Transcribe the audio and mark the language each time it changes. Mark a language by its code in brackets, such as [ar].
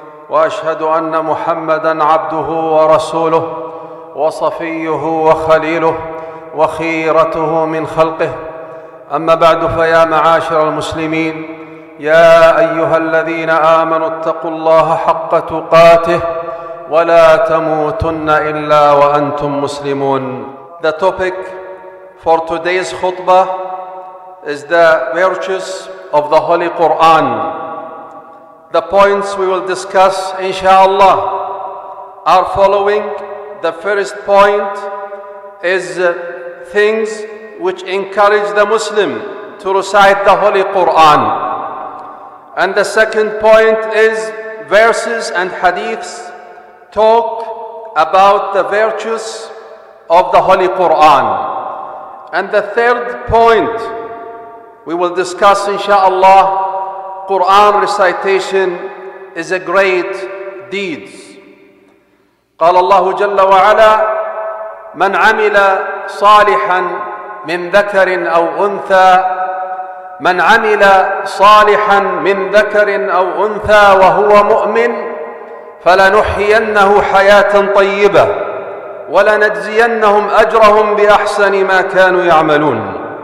[ar] وأشهد أن محمدًا عبده ورسوله وصفيه وخليله وخيرته من خلقه. أما بعد، فيا معاشر المسلمين، يا أيها الذين آمنوا اتقوا الله حق تقاته ولا تموتن إلا وأنتم مسلمون. [en] The topic for today's khutbah is the virtues of the Holy Quran. The points we will discuss, inshallah, are following. The first point is things which encourage the Muslim to recite the Holy Quran. And the second point is verses and hadiths talk about the virtues of the Holy Quran. And the third point we will discuss, inshallah, Quran recitation is a great deed. [ar] قال الله جل وعلا: من عمل صالحا من ذكر أو أنثى، من عمل صالحا من ذكر أو أنثى وهو مؤمن فلنحيينه حياة طيبة ولنجزينهم أجرهم بأحسن ما كانوا يعملون.